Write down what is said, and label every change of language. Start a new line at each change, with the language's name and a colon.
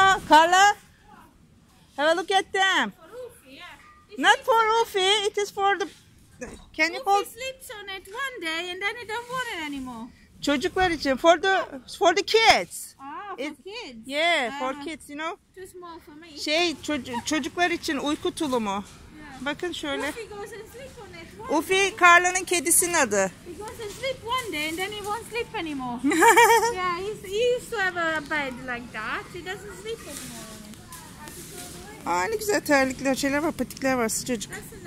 English: Carla. Have a look at them. Not for Ufi, it is for the... Can you hold? Ufi sleeps on it one day and then it don't want it anymore.
Turkish: Çocuklar için,
English: for the kids. Ah, it, for kids. Yeah, for kids, you know. Too small for me.
Turkish: Şey, çocuklar için uyku tulumu. Bakın şöyle. Ufi, Carla'nın kedisinin adı.
English: He goes and sleep one day and then he won't sleep anymore. Yeah, he used to have a bed like that. He doesn't sleep anymore.
Turkish: Aa, ne güzel terlikler, şeyler var, patikler var, sıcacık.